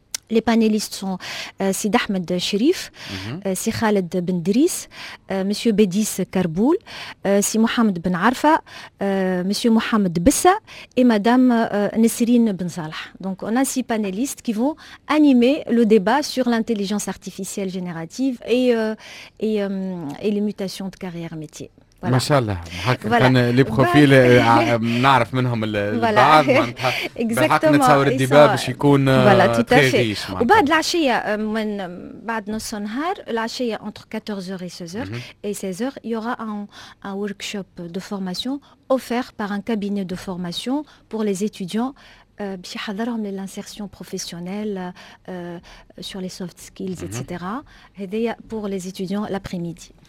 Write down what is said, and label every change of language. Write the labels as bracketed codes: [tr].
[fr] Les panélistes sont Sid Ahmed Chérif, Sid Khaled Ben Driss, Monsieur Bédis Karboul, Sid Mohamed Ben Arfa, Monsieur Mohamed Bessa et Madame Nesrine Ben Salah. Donc on a 6 panélistes qui vont animer le débat sur l'intelligence artificielle générative et les mutations de carrière métier. [ar] ما شاء الله هكا كان [fr] لي بروفيل [ar] نعرف منهم البعض معناتها بالحق نتصور الديبا باش يكون تريش وبعد العشيه من بعد نص النهار العشيه [fr] entre 14h et 16h et 16h il y aura un workshop de formation offert par un cabinet de formation pour les étudiants [ar] باش يحضرهم [fr] للانسيرسيون بروفيسيونيل sur les soft skills etc [ar] هذايا [fr] pour les étudiants l'après-midi.